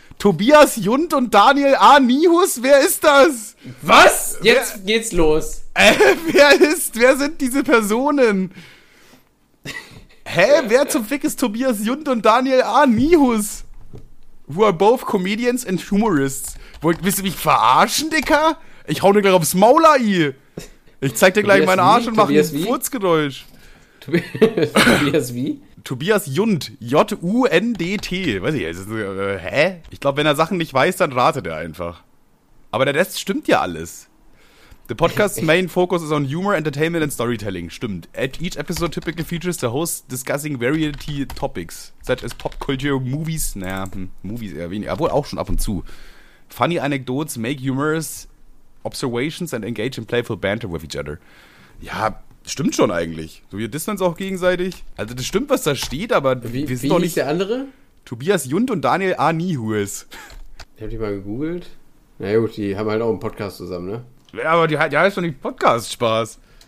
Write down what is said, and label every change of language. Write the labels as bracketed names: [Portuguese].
[German] Tobias Jund und Daniel A. Nihus? Wer ist das? Was? Jetzt geht's los. Wer sind diese Personen? Hä? Wer zum Fick ist Tobias Jund und Daniel A. Nihus? [English] Who are both comedians and humorists. [German] Willst du mich verarschen, Dicker? Ich hau dir gleich aufs Maul, AI. Ich zeig dir gleich meinen Arsch und mach ein Furzgeräusch. Tobias wie? Tobias Jund, J-U-N-D-T. Weiß ich, hä? Ich glaube, wenn er Sachen nicht weiß, dann ratet er einfach. Aber der Rest stimmt ja alles. [English] The podcast's main focus is on humor, entertainment and storytelling. Stimmt. At each episode typically features the host discussing variety topics, such as pop culture, movies. [German] Naja, Movies eher weniger. Obwohl auch schon ab und zu. [English] funny anecdotes, make humorous observations and engage in playful banter with each other. [German] Ja, stimmt schon eigentlich. So, wir dissen uns auch gegenseitig. Also das stimmt, was da steht, aber wie, wir sind doch nicht... Wie hieß der andere? Tobias Jund und Daniel A. Niehues. Ich hab die mal gegoogelt. Na gut, die haben halt auch einen Podcast zusammen, ne? Ja, aber die heißt doch nicht Podcast-Spaß.